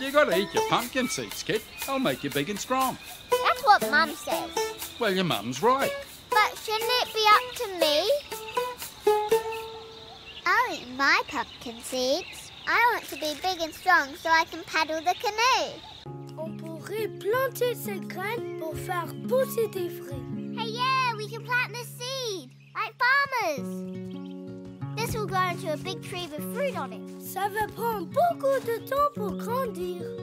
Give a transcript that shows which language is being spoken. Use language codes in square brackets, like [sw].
[en] You got to eat your pumpkin seeds, kid. They'll make you big and strong. That's what Mum says. Well, your Mum's right. But shouldn't it be up to me? I'll eat my pumpkin seeds. I want to be big and strong so I can paddle the canoe. [fr] On pourrait planter ces graines pour faire pousser des fruits. [en] Hey, yeah, we can plant the seed, like farmers. This will grow into a big tree with fruit on it. [fr] Ça va prendre beaucoup de temps pour grandir.